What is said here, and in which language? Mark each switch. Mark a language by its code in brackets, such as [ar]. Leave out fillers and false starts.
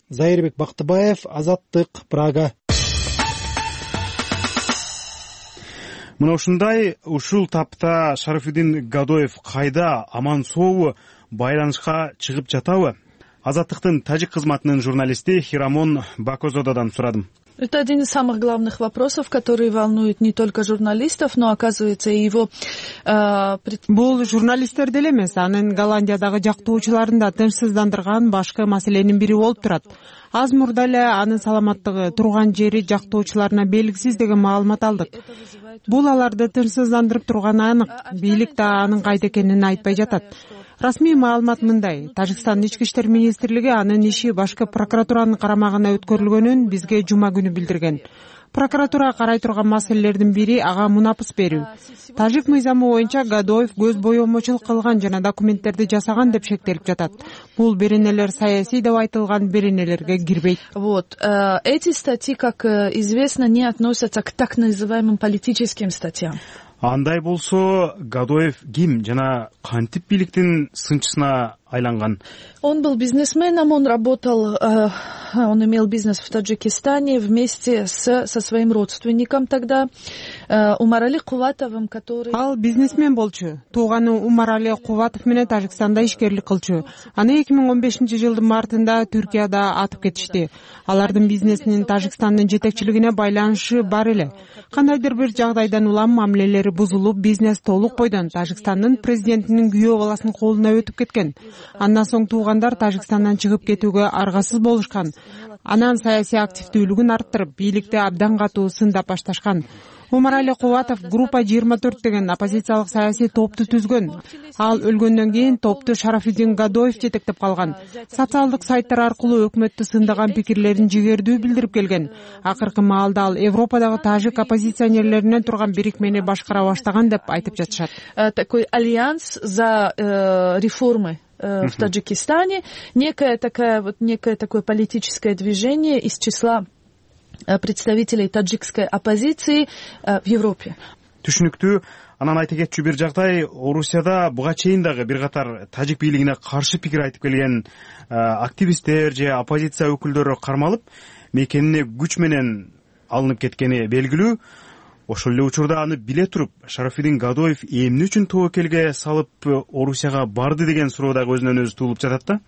[ky] Зайырбек Бактыбаев, Азаттык, Прага. Мына ушундай ушул тапта Шарафиддин Гадоев кайда, аман сообу, байланышка чыгып жатабы? Азаттыктын тажик кызматынын журналисти Хирамон Бакозододан сурадым. [ru] Это один из самых главных вопросов, который волнует не только журналистов, но оказывается и его... [ky] Бул журналисттер деле эмес, анын Голландиядагы жактоочуларын да тынчсыздандырган башкы маселенин бири болуп турат. Аз мурда эле анын саламаттыгы, турган жери жактоочуларына белгисиз деген маалымат алдык. Бул аларды тынчсыздандырып турган анык, бийлик да анын кайда экенин айтпай жатат. Расмий маалымат мындай: Тажикстандын ички иштер министрлиги анын иши башкы прокуратуранын карамагына өткөрүлгөнүн бизге жума күнү билдирген. Прокуратура карай турган маселелердин бири ага мунапыс берүү. Тажик мыйзамы боюнча Гадоев көз боемочулук кылган жана документтерди жасаган деп шектелип жатат. Бул беренелер саясий деп айтылган беренелерге кирбейт. [ru] Вот, эти статьи, как известно, не относятся к так называемым политическим статьям. [ky] Андай болсо, Гадоев ким жана кантип бийликтин сынчысына айланган? [ru] Он был бизнесменом, он работал, он имел бизнес в Таджикистане вместе со своим родственником тогда, Умарали Куватовым, который... [ky] Ал бизнесмен болчу. Тууганы Умарали Куватов менен Таджикстанда ишкерлик кылчу. Аны 2015 жылдын мартында Түркияда атып кетишти. Алардын бизнесинин Таджикстандын жетекчилигине байланышы бар эле. Кандайдыр бир жагдайдан улам мамилелери бузулуп, бизнес толук бойдон Таджикстандын президентинин күйөө баласынын колуна өтүп кеткен. Андан соң туугандар Тажикстандан чыгып кетүүгө аргасыз болушкан. Анан саясий активдүүлүгүн арттырып, бийликти абдан катуу сындап башташкан. Умарали Куватов группа 24 деген оппозициялык саясий топту түзгөн. Ал өлгөндөн кийин топту Шарафиддин Гадоев жетектеп калган. Социалдык сайттар аркылуу өкмөттү сындаган пикирлерин жигердүү билдирип келген. Акыркы маалда ал Европадагы тажик оппозиционерлеринен турган бирикмени башкара баштаган деп айтып жатышат. [ru] Такой альянс за реформы в Таджикистане, некое такое политическое движение из числа представителей таджикской оппозиции в Европе. [ky] Түшүнүктүү. Анан айта кетчү бир жагдай, Орусияда буга чейин дагы бир катар тажик бийлигине каршы пикир айтып келген активисттер же оппозиция өкүлдөрү кармалып, мекенине күч менен алынып кеткени белгилүү. Ошол эле учурда аны биле туруп, Шарафиддин Гадоев эмне үчүн тоокелге салып Орусияга барды деген суроо дагы өзүнөн өзү туулуп жатат да.